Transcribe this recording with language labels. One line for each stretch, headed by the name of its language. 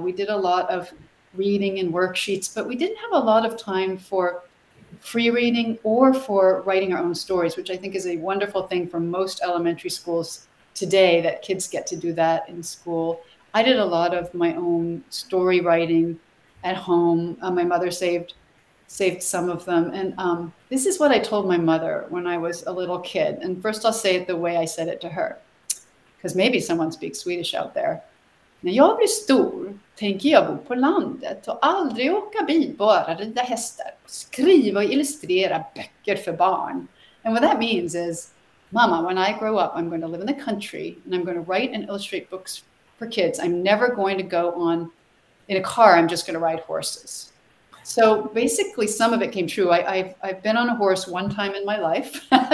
English: We did a lot of reading and worksheets, but we didn't have a lot of time for free reading or for writing our own stories, which I think is a wonderful thing for most elementary schools today, that kids get to do that in school. I did a lot of my own story writing at home. My mother saved some of them. And this is what I told my mother when I was a little kid. And first I'll say it the way I said it to her, because maybe someone speaks Swedish out there.
Swedish: När jag blir stor tänker jag bo på landet och aldrig åka bil, bara rida hästar, skriva och illustrera böcker för barn.
English: And what that means is, Mama, when I grow up, I'm going to live in the country and I'm going to write and illustrate books for kids. I'm never going to go on in a car. I'm just going to ride horses. So basically, some of it came true. I've been on a horse one time in my life.